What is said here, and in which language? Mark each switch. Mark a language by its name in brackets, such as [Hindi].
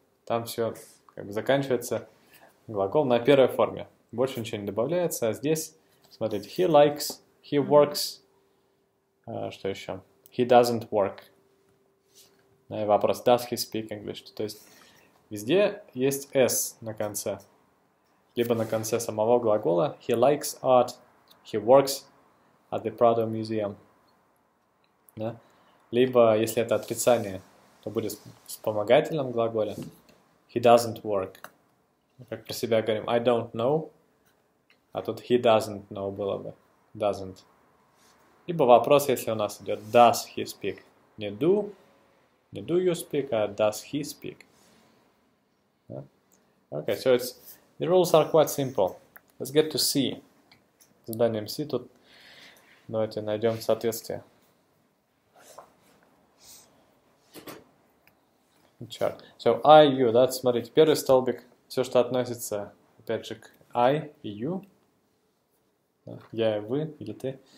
[Russian] Там все как бы заканчивается глагол на первой форме. Больше ничего не добавляется. А здесь, смотрите, [English] he likes, he works. [Russian] Что еще? [English] He doesn't work. [Russian] Да, и вопрос, [English] does he speak English? [Russian] То есть везде есть s на конце. Либо на конце самого глагола. [English] He likes art, he works at the Prado Museum. [Russian] Да? Либо, если это отрицание, то будет в вспомогательном глаголе. [English] He doesn't work. [Russian] Как про себя говорим, [English] I don't know. [Russian] А тут [English] he doesn't know [Russian] было бы. Doesn't. Либо вопрос, если у нас идет [English] does he speak. Не do you speak, а does he speak. [Russian] Да? [English] Okay, so it's the rules are quite simple. Let's get to C. [Russian] Заданием C тут. Давайте найдем соответствие. [English] Chart. So I, you, [Russian] да, смотрите, первый столбик, все, что относится, опять же, к I и you, да, я и вы, или ты.